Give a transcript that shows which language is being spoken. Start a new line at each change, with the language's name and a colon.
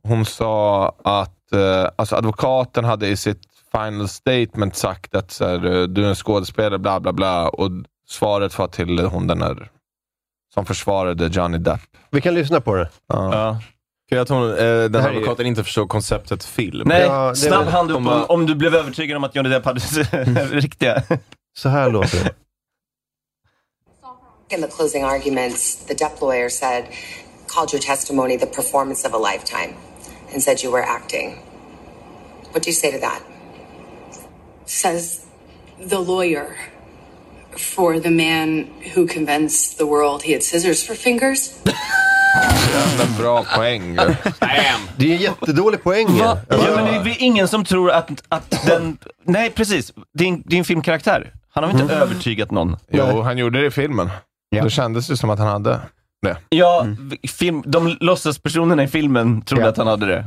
Swedish: Hon sa att alltså advokaten hade i sitt
English: final statement
Swedish: sagt att så här, du är en skådespelare, bla bla bla, och svaret var till hon den här som försvarade Johnny Depp. Vi kan lyssna på det. Ja. Kul att hon, den här advokaten inte förstår konceptet film. Nej, ja, snabb hand upp om du blev övertygad om att Johnny Depp hade riktiga. Så här låter det.
English: In the closing arguments, the Depp lawyer said, called your testimony the performance of a lifetime and said you were acting. What do you say to that? Says the lawyer for the man who convinced the world he had scissors for fingers.
Swedish: Det är en bra poäng.
English: Damn.
Swedish: Det är en jättedålig poäng. Ja, men det är ingen som tror att den. Nej, precis. Det är en filmkaraktär. Han har inte övertygat någon. Jo, han gjorde det i filmen. Ja. Då kändes det som att han hade det. Ja, de låtsaspersonerna i filmen trodde att han hade det.